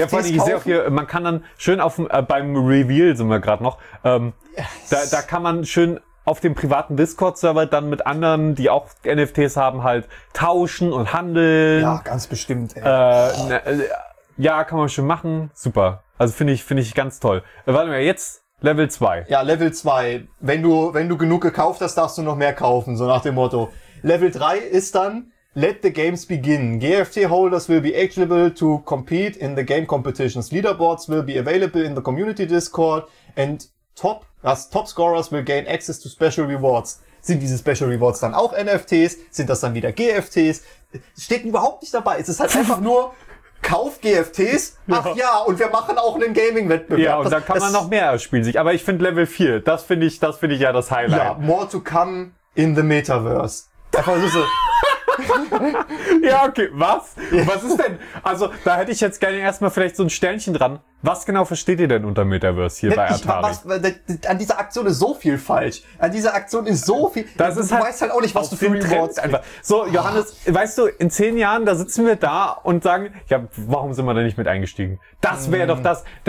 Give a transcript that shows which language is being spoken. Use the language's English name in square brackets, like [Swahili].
[German] Ja, vor allem, hier, man kann dann schön beim Reveal sind wir gerade noch, da kann man schön auf dem privaten Discord-Server dann mit anderen, die auch NFTs haben, halt tauschen und handeln. Ja, ganz bestimmt. Ja, kann man schon machen. Super. Also finde ich ganz toll. Warte mal, jetzt Level 2. Ja, Level 2. Wenn du genug gekauft hast, darfst du noch mehr kaufen, so nach dem Motto. Level 3 ist dann [English] Let the games begin. GFT holders will be eligible to compete in the game competitions. Leaderboards will be available in the community Discord and Top-Scorers will gain access to Special Rewards. [German] Sind diese Special Rewards dann auch NFTs? Sind das dann wieder GFTs? Steht überhaupt nicht dabei. Es ist halt einfach nur, kauf GFTs. Ach ja, und wir machen auch einen Gaming-Wettbewerb. Ja, und da kann man noch mehr spielen. Aber ich finde Level 4, das finde ich ja das Highlight. Ja, [English] more to come in the Metaverse. [German] Einfach so. Ja, okay, was? Was ist denn? Also, da hätte ich jetzt gerne erstmal vielleicht so ein Sternchen dran. Was genau versteht ihr denn unter Metaverse hier bei Atari? An dieser Aktion ist so viel falsch. An dieser Aktion ist so viel. Du weißt halt auch nicht, was du für Rewards einfach. So, Johannes, weißt du, in 10 Jahren, da sitzen wir da und sagen, ja, warum sind wir da nicht mit eingestiegen? Das wäre doch das.